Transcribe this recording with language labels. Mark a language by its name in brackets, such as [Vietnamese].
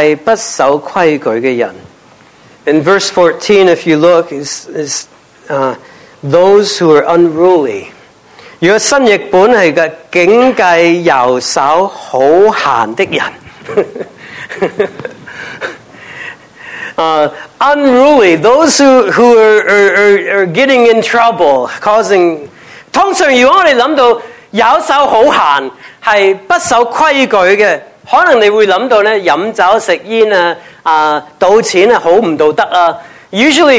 [Cantonese] 第一样嘢咧，佢话嗰啲喺呢个十四节咧，你睇十四节咧，佢话要警戒不守规矩嘅人。 [English] In verse 14, if you look, is those who are unruly. [Cantonese] 如果新译本系嘅警戒游手好闲的人。 [English] Unruly, those who are getting in trouble, causing. [Cantonese] 通常如果我哋谂到游手好闲，系不守规矩嘅，可能你会谂到咧饮酒食烟啊，赌钱啊，好唔道德啊。Usually,